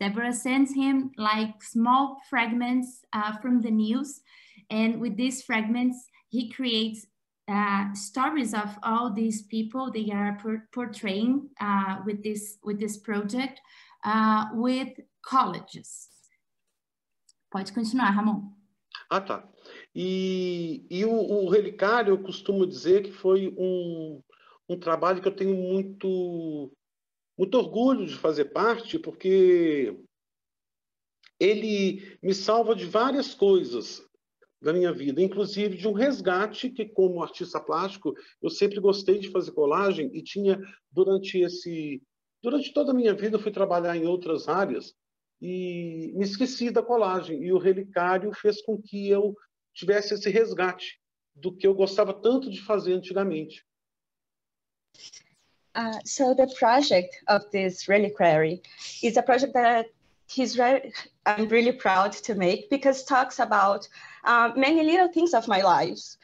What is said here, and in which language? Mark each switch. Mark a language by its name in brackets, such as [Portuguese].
[English] Débora sends him, like, small fragments from the news. And with these fragments, he creates stories of all these people they are portraying with this project with colleges. [Portuguese] Pode continuar, Ramon. Ah, tá. E o relicário, eu costumo dizer que foi um trabalho que eu tenho muito, muito orgulho de fazer parte, porque ele me salva de várias coisas da minha vida, inclusive de um resgate que, como artista plástico, eu sempre gostei de fazer colagem e tinha durante toda a minha vida, eu fui trabalhar em outras áreas e me esqueci da colagem. E o relicário fez com que eu tivesse esse resgate do que eu gostava tanto de fazer antigamente. [English] So the project of this reliquary is a project that I'm really proud to make, because it talks about many little things of my life.